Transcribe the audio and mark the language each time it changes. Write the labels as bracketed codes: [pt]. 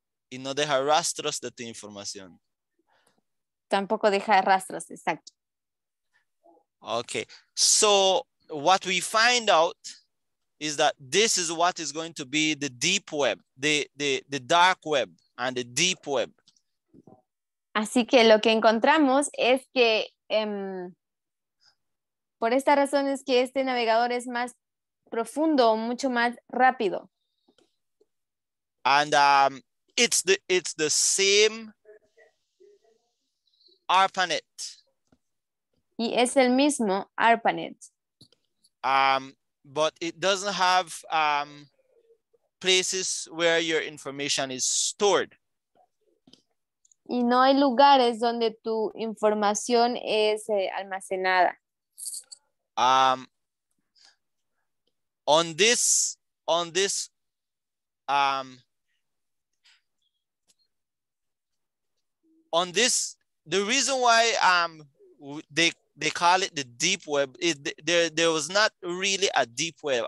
[es] Y no deja rastros de tu información. Tampoco deja rastros, exacto. [en] Okay, so what we find out is that this is what is going to be the deep web, the dark web and the deep web. [es] Así que lo que encontramos es que por esta razón es que este navegador es más profundo, mucho más rápido. [en] And it's the same ARPANET. [es] Y es el mismo ARPANET. [en] But it doesn't have places where your information is stored. [es] Y no hay lugares donde tu información es almacenada. [en] On this, the reason why they call it the deep web is there was not really a deep web.